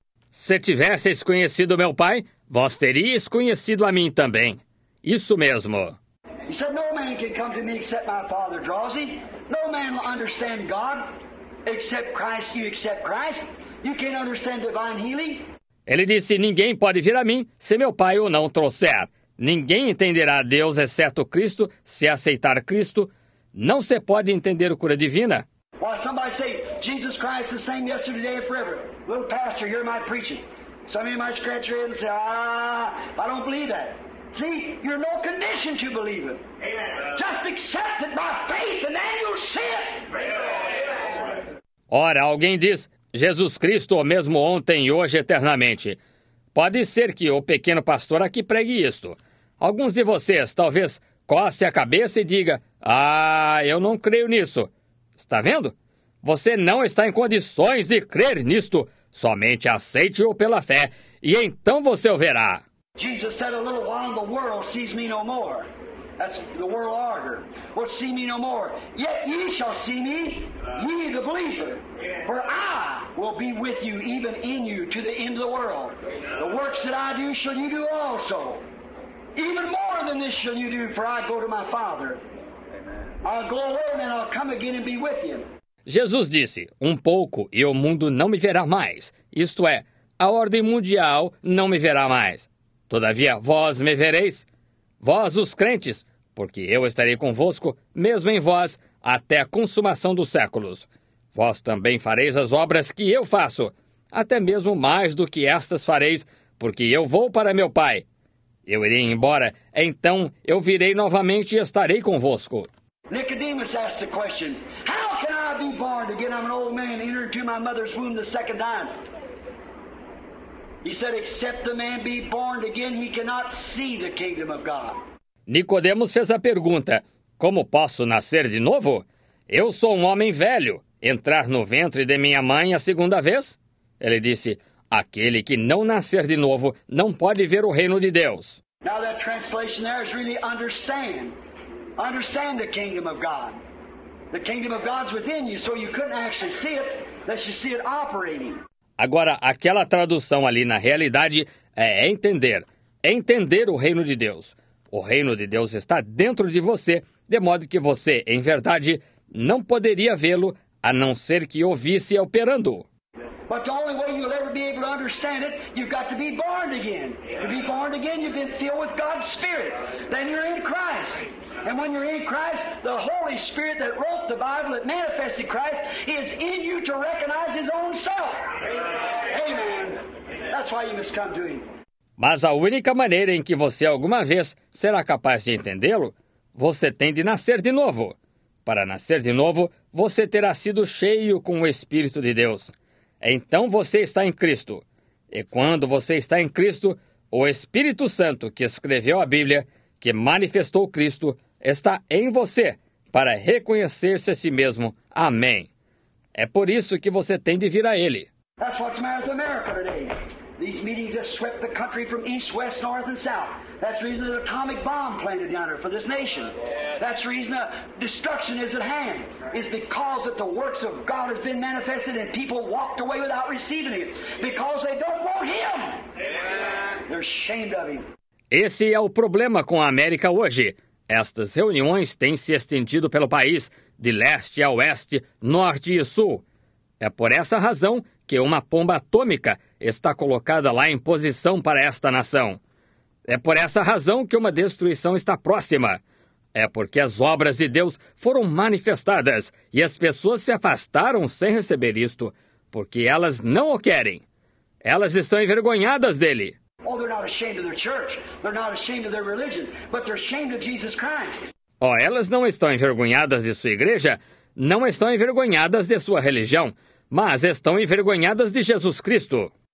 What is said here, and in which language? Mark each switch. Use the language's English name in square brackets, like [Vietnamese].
[Portuguese] Se tivesseis conhecido meu Pai, vós teríeis conhecido a mim também. Isso mesmo. [English] He said, no man can come to me except my Father draws him. No man will understand God except Christ. You accept Christ, you can't understand divine healing. [Portuguese] Ele disse, ninguém pode vir a mim se meu Pai o não trouxer. Ninguém entenderá Deus exceto Cristo se aceitar Cristo. Não se pode entender a cura divina. [English] Well, somebody say, Jesus Christ the same yesterday, today, and forever. Little pastor, hear my preaching. Some of you might scratch your head and say, I don't believe that. See, you're no condition to believe it. Amen. Just accept it by faith and then you'll see it. [Portuguese] Ora, alguém diz, Jesus Cristo o mesmo ontem e hoje eternamente. Pode ser que o pequeno pastor aqui pregue isto. Alguns de vocês, talvez, coce a cabeça e diga, eu não creio nisso. Está vendo? Você não está em condições de crer nisto. Somente aceite-o pela fé, e então você o verá. [English] Jesus said a little while the world sees me no more. That's the world auger. Will see me no more. Yet ye shall see me, ye the believer. For I will be with you, even in you, to the end of the world. The works that I do shall you do also. Even more than this shall you do, for I go to my Father. I'll go alone and I'll come again and be with you. [Portuguese] Jesus disse, um pouco e o mundo não me verá mais. Isto é, a ordem mundial não me verá mais. Todavia, vós me vereis, vós os crentes, porque eu estarei convosco, mesmo em vós, até a consumação dos séculos. Vós também fareis as obras que eu faço, até mesmo mais do que estas fareis, porque eu vou para meu Pai. Eu irei embora, então eu virei novamente e estarei convosco. [English] Nicodemus asked the question, how can I be born again? I'm an old man, entered into my mother's womb the second time. He said, except the man be born again, he cannot see the kingdom of God. [Portuguese] Nicodemus fez a pergunta, como posso nascer de novo? Eu sou um homem velho, entrar no ventre de minha mãe a segunda vez? Ele disse, aquele que não nascer de novo não pode ver o reino de Deus. [English] Now that translation there is really understand. Understand the kingdom of God. The kingdom of God's within you, so you couldn't actually see it unless you see it operating. [Portuguese] Agora, aquela tradução ali na realidade é entender. Entender o reino de Deus. O reino de Deus está dentro de você, de modo que você, em verdade, não poderia vê-lo a não ser que o visse operando. [English] But the only way you'll ever be able to understand it, you've got to be born again. To be born again, you've been filled with God's Spirit. Then you're in Christ. And when you're in Christ, the Holy Spirit that wrote the Bible, that manifested Christ, is in you to recognize His own self. Amen. Amen. That's why you must come to Him. [Portuguese] Mas a única maneira em que você alguma vez será capaz de entendê-lo, você tem de nascer de novo. Para nascer de novo, você terá sido cheio com o Espírito de Deus. Então você está em Cristo. E quando você está em Cristo, o Espírito Santo que escreveu a Bíblia, que manifestou Cristo, está em você para reconhecer-se a si mesmo. Amém. É por isso que você tem de vir a Ele. [English] That's what's matter with America today. These meetings have swept the country from east, west, north and south. That's the reason an atomic bomb planted down here for this nation. That's the reason destruction is at hand. It's because that the works of God has been manifested and people walked away without receiving it. Because they don't want Him. They're ashamed of Him. [Portuguese] Esse é o problema com a América hoje. Estas reuniões têm se estendido pelo país, de leste a oeste, norte e sul. É por essa razão que uma bomba atômica está colocada lá em posição para esta nação. É por essa razão que uma destruição está próxima. É porque as obras de Deus foram manifestadas e as pessoas se afastaram sem receber isto, porque elas não o querem. Elas estão envergonhadas dele. [English] Oh, they're not ashamed of their church. They're not ashamed of their religion. But they're ashamed of Jesus Christ. [Portuguese] Oh, elas não estão envergonhadas de sua igreja, não estão envergonhadas de sua religião, mas estão envergonhadas de Jesus Cristo.